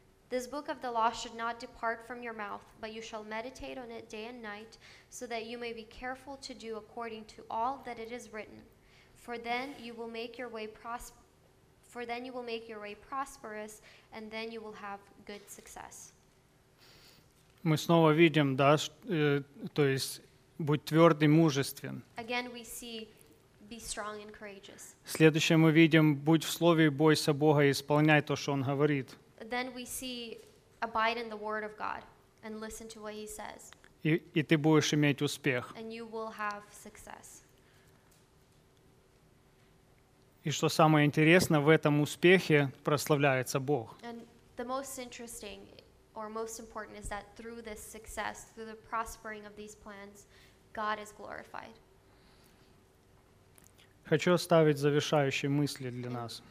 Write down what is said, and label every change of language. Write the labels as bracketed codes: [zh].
[en] This book of the law should not depart from your mouth, but you shall meditate on it day and night, so that you may be careful to do according to all that it is written. For then you will make your way prosperous. For then you will make your way prosperous, and then you will have good success. [ru] Мы снова видим, да, то есть будь твердый, мужествен. [en] Again, we see, be strong and courageous. [ru] Следующее мы видим, будь в слове и бойся Бога и исполняй то, что Он говорит. [en] Then we see, abide in the word of God and listen to what He says. [ru] И ты будешь иметь успех. [en] And you will have success. [ru] И что самое интересное, в этом успехе прославляется Бог. [en] And the most interesting or most important is that through this success, through the prospering of these plans, God is glorified. [ru] Хочу оставить завершающие мысли для нас.